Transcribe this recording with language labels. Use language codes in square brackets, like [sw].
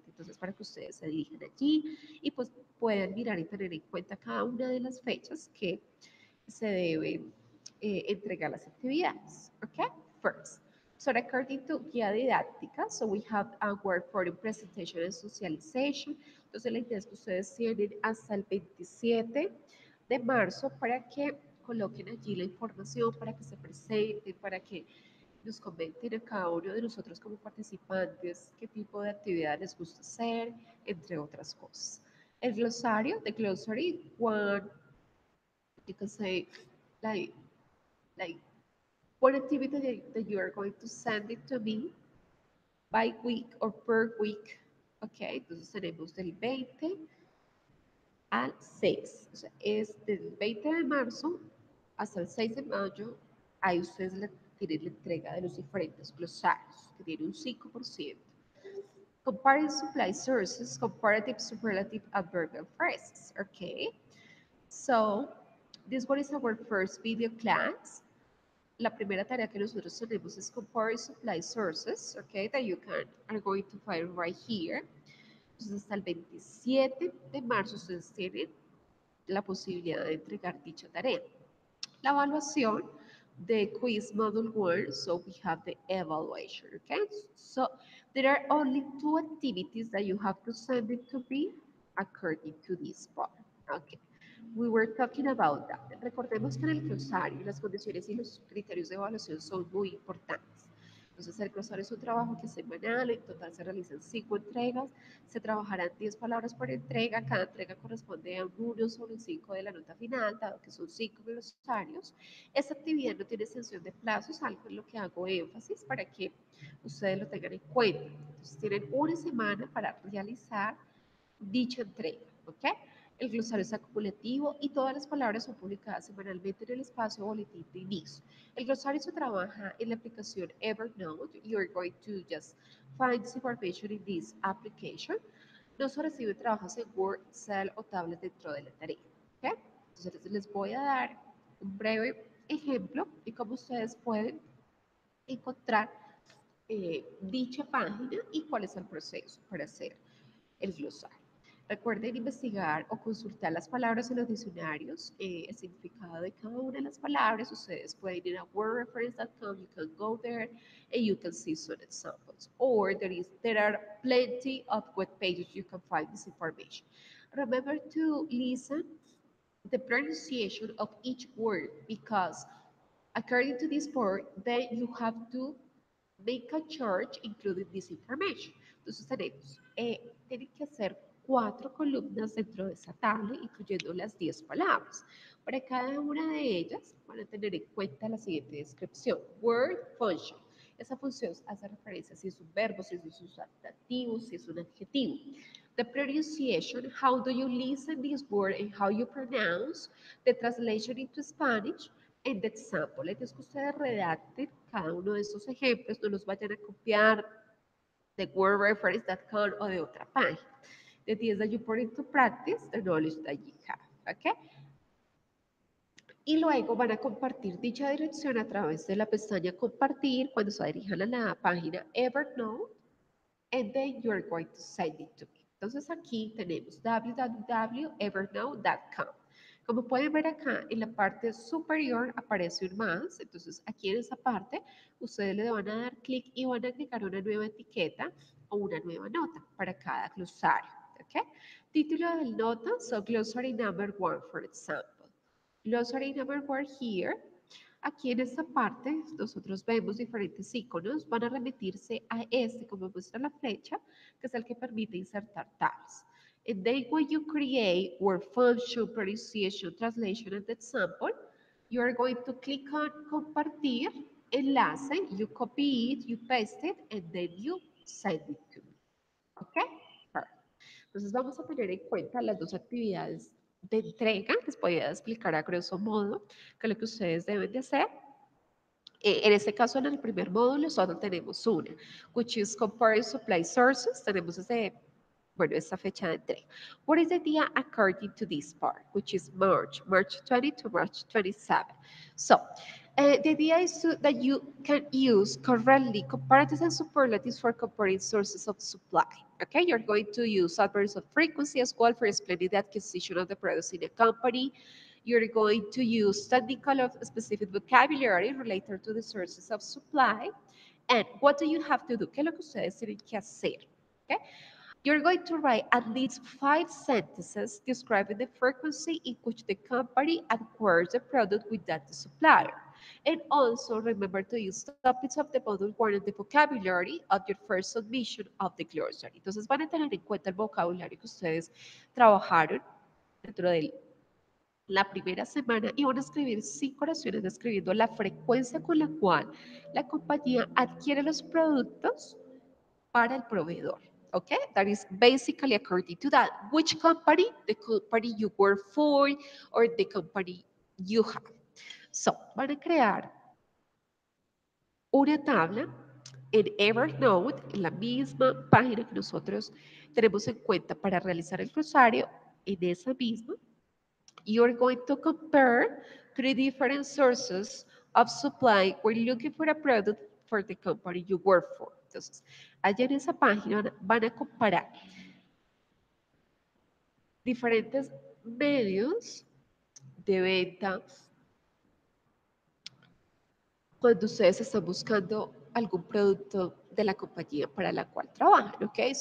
[es] Entonces, para que ustedes se dirijan allí y pues puedan mirar y tener en cuenta cada una de las fechas que se deben entregar las actividades, okay? [en] First. So according to guía didáctica, so we have a word for the presentation and socialization. [es] Entonces la idea es que ustedes tienen hasta el 27 de marzo para que coloquen allí la información, para que se presenten, para que nos comenten a cada uno de nosotros como participantes qué tipo de actividad les gusta hacer, entre otras cosas. El glosario, [en] the glossary, one, you can say, like, what activity that you are going to send it to me by week or per week. [es] Okay, entonces tenemos del 20 al 6. O sea, es del 20 de marzo hasta el 6 de mayo. Ahí ustedes tienen la entrega de los diferentes glosarios, que tiene un 5%. [en] Comparing supply sources, comparative, superlative, adverbial phrases. Okay, so this one is our first video class. [es] La primera tarea que nosotros tenemos es [en] compare supply sources, okay, that you can are going to find right here. [es] Entonces, hasta el 27 de marzo ustedes tienen la posibilidad de entregar dicha tarea. La evaluación de [en] quiz module 1, so we have the evaluation, okay? So, there are only two activities that you have presented to be according to this part, okay? We were talking about that. [es] Recordemos que en el glosario las condiciones y los criterios de evaluación son muy importantes. Entonces, el glosario es un trabajo que es semanal, en total se realizan 5 entregas, se trabajarán 10 palabras por entrega, cada entrega corresponde a 1 sobre 5 de la nota final, dado que son 5 glosarios. Esta actividad no tiene extensión de plazo, es algo en lo que hago énfasis para que ustedes lo tengan en cuenta. Entonces, tienen una semana para realizar dicha entrega, ¿ok? El glosario es acumulativo y todas las palabras son publicadas semanalmente en el espacio boletín de inicio. El glosario se trabaja en la aplicación Evernote. [en] You're going to just find this information in this application. [es] No se recibe trabajos en Word, Excel o tablet dentro de la tarea. ¿Okay? Entonces les voy a dar un breve ejemplo y cómo ustedes pueden encontrar dicha página y cuál es el proceso para hacer el glosario. Recuerden investigar o consultar las palabras en los diccionarios, el significado de cada una de las palabras. Ustedes pueden ir a [en] wordreference.com, you can go there, and you can see some examples. Or there are plenty of web pages you can find this information. Remember to listen the pronunciation of each word, because according to this part, then you have to make a chart including this information. [es] Entonces tenemos, tienen que hacer 4 columnas dentro de esa tabla, incluyendo las 10 palabras. Para cada una de ellas, van a tener en cuenta la siguiente descripción. [en] Word function. [es] Esa función hace referencia si es un verbo, si es un sustantivo, si es un adjetivo. [en] The pronunciation, how do you listen this word and how you pronounce the translation into Spanish. And the example, [es] es que ustedes redacten cada uno de esos ejemplos, no los vayan a copiar de wordreference.com o de otra página. [en] The ideas that you put into practice, the knowledge that you have, okay? [es] Y luego van a compartir dicha dirección a través de la pestaña Compartir cuando se dirijan a la página Evernote. [en] And then you are going to send it to me. [es] Entonces aquí tenemos www.evernote.com. Como pueden ver acá, en la parte superior aparece un más. Entonces aquí en esa parte, ustedes le van a dar clic y van a agregar una nueva etiqueta o una nueva nota para cada glosario. ¿Okay? Título del nota, [en] so glossary number one, for example. Glossary number one here. [es] Aquí en esta parte, nosotros vemos diferentes iconos. Van a remitirse a este, como muestra la flecha, que es el que permite insertar tabs. [en] And then when you create word function, pronunciation, translation, and example, you are going to click on [es] compartir, enlace, [en] you copy it, you paste it, and then you send it to me. Okay? Perfect. [es] Entonces vamos a tener en cuenta las dos actividades de entrega, les voy a explicar a grosso modo que lo que ustedes deben de hacer. En este caso, en el primer módulo, solo tenemos una, [en] which is comparing supply sources, [es] tenemos esta fecha de entrega. [en] What is the día according to this part, which is March 20 to March 27. So, the idea is that you can use correctly comparatives and superlatives for comparing sources of supply. Okay, you're going to use adverbs of frequency as well for explaining the acquisition of the products in a company. You're going to use technical of specific vocabulary related to the sources of supply. And what do you have to do? [es] ¿Qué es lo que ustedes tienen que hacer? [en] Okay, you're going to write at least 5 sentences describing the frequency in which the company acquires the product with that the supplier. And also remember to use topics of the model word and the vocabulary of your first submission of the glossary. [es] Entonces van a tener en cuenta el vocabulario que ustedes trabajaron dentro de la primera semana y van a escribir 5 oraciones describiendo la frecuencia con la cual la compañía adquiere los productos para el proveedor. [en] Okay, that is basically according to that. Which company? The company you work for or the company you have. [es] So, van a crear una tabla en Evernote, en la misma página que nosotros tenemos en cuenta para realizar el glosario, en esa misma. [en] You are going to compare 3 different sources of supply when looking for a product for the company you work for. [es] Entonces, allá en esa página van a comparar diferentes medios de venta cuando ustedes están buscando algún producto de la compañía para la cual trabajan, okay?